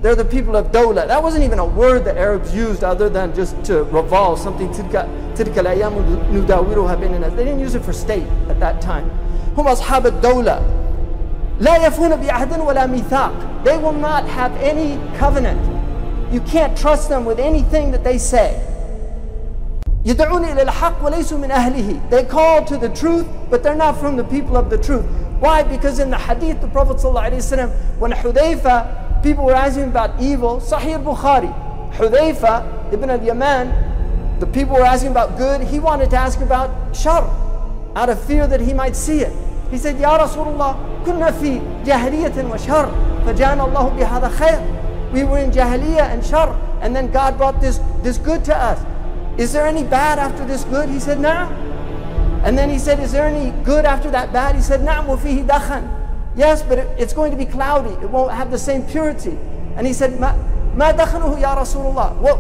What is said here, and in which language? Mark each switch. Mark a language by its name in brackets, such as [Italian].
[English] they're the people of Dawla. That wasn't even a word the Arabs used other than just to revolve something. [Arabic] Tidka al-ayyam nudawiruha bainana. [English] They didn't use it for state at that time. [Arabic] Hum ashab al-dawla. La yafuna bi'ahdin wala mithaq. [English] They will not have any covenant. You can't trust them with anything that they say. [Arabic] يدعون إلى الحق وليسوا من أهله. [English] They call to the truth, but they're not from the people of the truth. Why? Because in the hadith, the Prophet ﷺ, when Hudayfa, people were asking him about evil, Sahih Bukhari, Hudayfa ibn al-Yaman, the people were asking about good, he wanted to ask about shar, out of fear that he might see it. He said, [Arabic] يا رسول الله, كنا في جاهلية وشر, فجاءنا الله بهذا خير. [English] We were in jahiliyyah and shar, and then God brought this good to us. Is there any bad after this good? He said, nah. And then he said, is there any good after that bad? He said, nah, [Arabic] wafihi dakhan. [English] Yes, but it's going to be cloudy. It won't have the same purity. And he said, [Arabic] ma dakhanuhu ya Rasulullah.